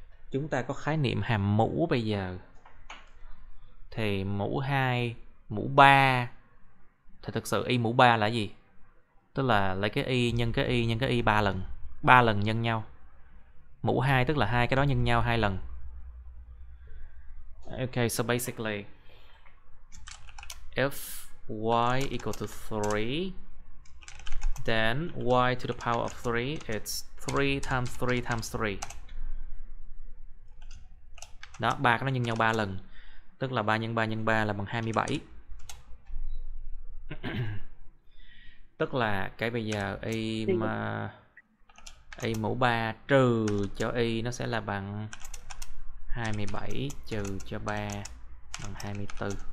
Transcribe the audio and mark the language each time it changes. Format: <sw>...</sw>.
<vi>Chúng ta có khái niệm hàm mũ bây giờ. Thì mũ 2, mũ 3. Thì thực sự y mũ 3 là gì? Tức là lấy cái y nhân cái y nhân cái y 3 lần. 3 lần nhân nhau. Mũ 2 tức là hai cái đó nhân nhau 2 lần.</vi> <en>Okay, so basically if y equal to 3, then y to the power of 3, it's 3 times 3 times 3.</en> <vi>Đó, ba cái nó nhân nhau 3 lần. Tức là 3 nhân 3 nhân 3 là bằng 27. Tức là cái bây giờ y Hãy mà y mũ 3 trừ cho y nó sẽ là bằng 27 trừ cho 3 bằng 24.</vi>